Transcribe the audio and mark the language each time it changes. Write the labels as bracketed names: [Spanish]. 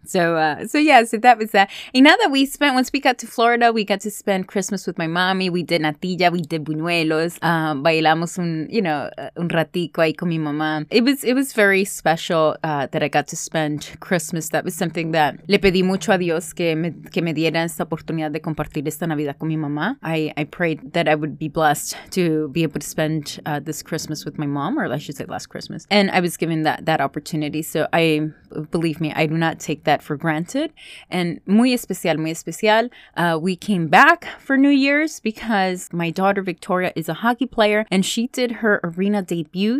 [English] So that was that. And now that we spent, once we got to Florida, we got to spend Christmas with my mommy. We did natilla. We did buñuelos. [Spanish] Bailamos un ratico ahí con mi mamá. [English] It was very special that I got to spend Christmas. That was something that [Spanish] le pedí pedí mucho a Dios que me diera esta oportunidad de compartir esta Navidad con mi mamá. [English] I prayed that I would be blessed to be able to spend this Christmas with my mom, or I should say last Christmas. And I was given that opportunity. So I, believe me, I do not take that for granted. And [Spanish] muy especial, muy especial. [English] We came back for New Year's because my daughter Victoria is a hockey player and she did her arena debut.